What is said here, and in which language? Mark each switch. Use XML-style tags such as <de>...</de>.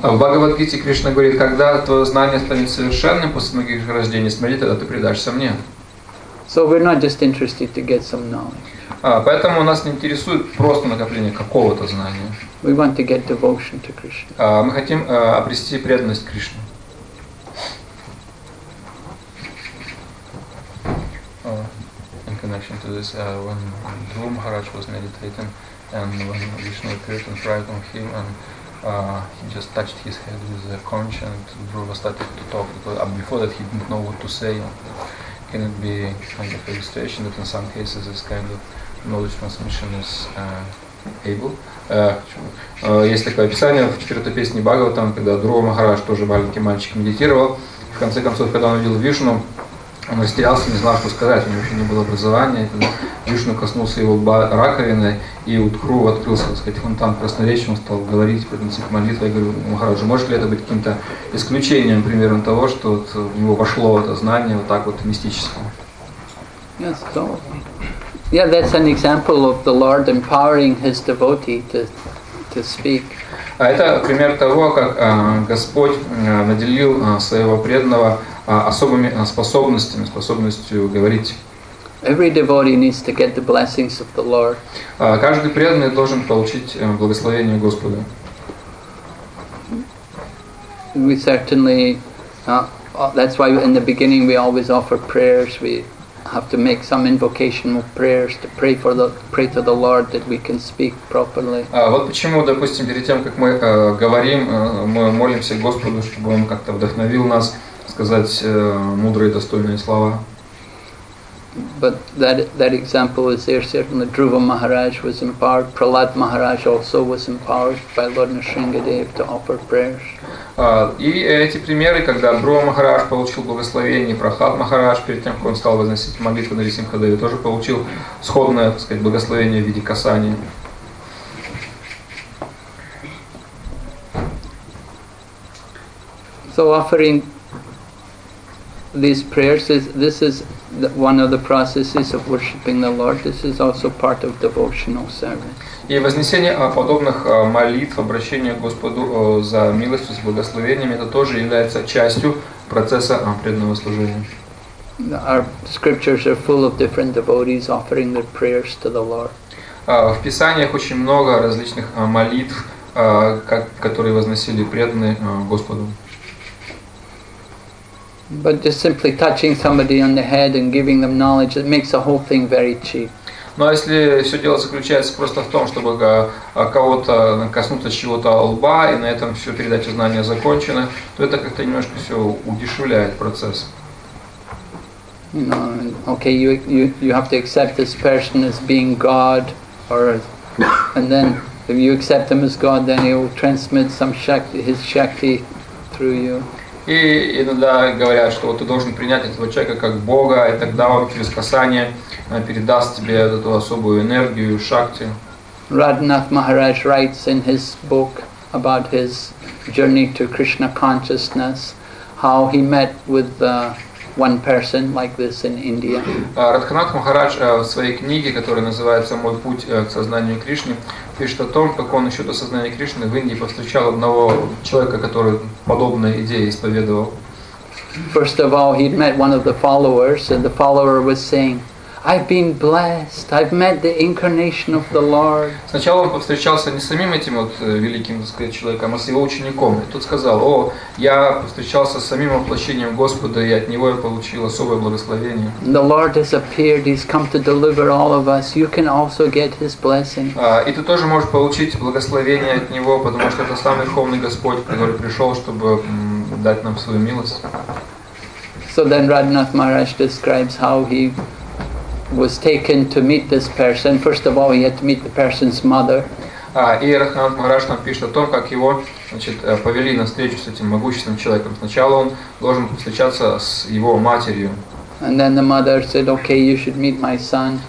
<ru>В Бхагавад Гите Кришна говорит, когда твое знание станет совершенным после многих рождений смерти, тогда ты предашься мне.</ru> <en>So we're not just interested to get some knowledge.</en> <ru>Поэтому нас не интересует просто накопление какого-то знания.</ru> <en>We want to get devotion to Krishna.</en> <ru>Мы хотим обрести преданность Кришне.</ru> <en>In connection to this, when Dhruva Maharaj was meditating and when Vishnu appeared and tried on him and he just touched his head with a conch and Dhruva started to talk, but before that he didn't know what to say. Can it be kind of illustration that in some cases this kind of knowledge transmission is able?</en> <ru>Есть такое описание в четвертой песне Бхагаватам, когда Дхрува Махарадж, тоже маленький мальчик, медитировал. В конце концов, когда он увидел Вишну, он растерялся, не знал, что сказать. У него еще не было образования. Когда Вишну коснулся его раковины, и у Дхрува открылся, так сказать, фонтан красноречия, он стал говорить, принести молитву. Я говорю, Махарадж, может ли это быть каким-то исключением, примером того, что вот в него вошло это знание вот так вот мистическое?</ru> <en>Yes, so. Yeah, that's an example of the Lord empowering his devotee to speak.</en> <ru>Это пример того, как Господь наделил своего преданного особыми способностями, способностью говорить.</ru> <en>Every devotee needs to get the blessings of the Lord.</en> <ru>Каждый преданный должен получить благословение Господа.</ru> <en>We certainly, that's why in the beginning we always offer prayers. We have to make some invocation of prayers to pray for the pray to the Lord that we can speak properly.</en> <ru>Вот почему, допустим, перед тем, как мы говорим, мы молимся Господу, чтобы Он как-то вдохновил нас сказать мудрые, достойные слова.</ru> <en>But that example was there. Certainly, Dhruva Maharaj was empowered. Prahlad Maharaj also was empowered by Lord Nrisimhadev to offer prayers.</en> <ru>И эти примеры, когда Друва Махарадж получил благословение, Прахлад Махарадж перед тем, как он стал возносить молитву на Нрисимхадеве, тоже получил сходное, так сказать, благословение в виде касания.</ru> <en>So offering these prayers is this is one of the processes of worshiping the Lord. This is also part of devotional service.</en> <ru>И вознесение подобных молитв, обращение к Господу за милостью, с благословениями, это тоже является частью процесса преданного служения.</ru> <en>Our scriptures are full of different devotees offering their prayers to the Lord.</en> <ru>В Писаниях очень много различных молитв, которые возносили преданные Господу.</ru> <en>But just simply touching somebody on the head and giving them knowledge, it makes the whole thing very cheap.</en> <ru>Но если все дело заключается просто в том, чтобы кого-то коснуться чего-то лба и на этом все передача знания закончена, то это как-то немножко все удешевляет процесс.</ru> <en>Okay, you have to accept this person as being God, and then if you accept him as God, then he will transmit some shakti, his shakti through you.</en> <ru>И иногда говорят, что вот ты должен принять этого человека как Бога, и тогда он через касание передаст тебе эту особую энергию, шакти.</ru> <en>Radhanath Maharaj writes in his book about his journey to Krishna consciousness, how he met with one person like this in India.</en> <ru>Radhanath Maharaj в своей книге, которая называется «Мой путь к сознанию Кришны», пишет о том, как он еще до сознания Кришны в Индии повстречал одного человека, который подобные идеи исповедовал.</ru> <en>First of all, he'd met one of the followers, and the follower was saying, I've been blessed, I've met the incarnation of the Lord.</en> <ru>Сначала он повстречался не с самим этим вот великим, так сказать, человеком, а с его учеником. И тот сказал, о, я повстречался с самим воплощением Господа, и от него я получил особое благословение.</ru> <en>The Lord has appeared, he's come to deliver all of us. You can also get his blessing.</en> <ru>И ты тоже можешь получить благословение от него, потому что это сам Верховный Господь, который пришел, чтобы дать нам свою милость.</ru> <en>So then Radhanath Maharaj describes how he was taken to meet this person. First of all, he had to meet the person's mother.</en> <ru>И Радханат Махарадж нам пишет о том, как его, значит, повели на встречу с этим могущественным человеком. Сначала он должен встречаться с его матерью.</ru> <en>And then the mother said, "Okay, you should meet my son."</en>